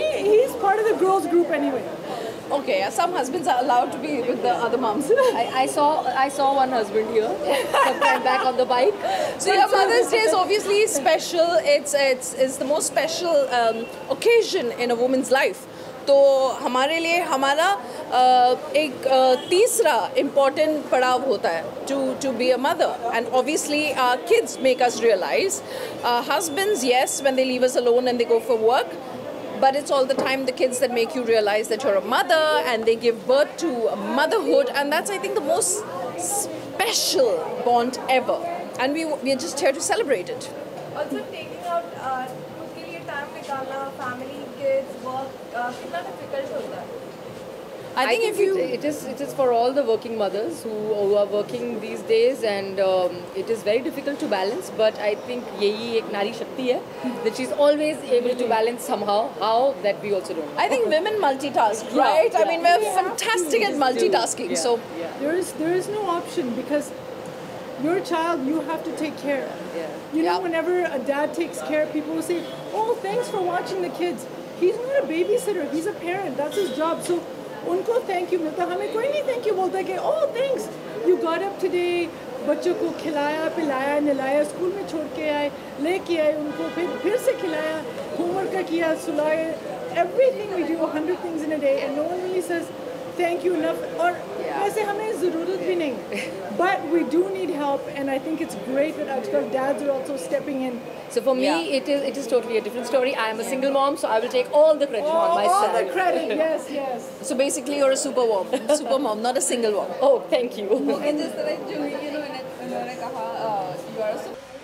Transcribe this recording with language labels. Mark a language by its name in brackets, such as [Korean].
[English] He's part of the girls group anyway. Okay, some husbands are allowed to be with the other moms. I saw one husband here, sometime back on the bike. So your Mother's Day is obviously special. It's the most special occasion in a woman's life. [Hindi] So हमारे लिए हमारा एक तीसरा important पड़ाव होता है [English] to be a mother. And obviously our kids make us realize. Husbands, yes, when they leave us alone and they go for work. But it's all the time the kids that make you realize that you're a mother, and they give birth to motherhood, and that's, I think, the most special bond ever. And we are just here to celebrate it. Also, taking out [Hindi] उसके लिए [English] time निकालना, family, kids, work, कितना difficult होता है? I think it is for all the working mothers who are working these days, and it is very difficult to balance, but I think [Hindi] yehi ek nari shakti hai [English] that she's always able to balance somehow. How, that we also don't know. I think women multitask, right? Yeah. I mean, we're fantastic at multitasking. Yeah. So there is no option, because your child you have to take care of. Yeah. You know, whenever a dad takes care of, people will say, "Oh, thanks for watching the kids." He's not a babysitter, he's a parent. That's his job. [Hindi] So उनको thank you मिलता, हमें कोई नहीं thank you बोलता कि [English] oh thanks you got up today, [Hindi] बच्चों को खिलाया पिलाया नहलाया, स्कूल में छोड़ के आए लेके आए उनको, फिर से खिलाया, होमवर्क का किया, सुलाए, [English] Everything we do 100 things in a day, and no one really says thank you enough. [Hindi] और वैसे हमें ज़रूरत भी नहीं, [English] But we do need help, and I think it's great that आजकल dads are also stepping in. So for me, it is totally a different story. I am a single mom, so I will take all the credit on myself. All the credit, yes. So basically, you're a super mom, not a single mom. Oh, thank you. And just like Juhu, you know, when I said you are a super.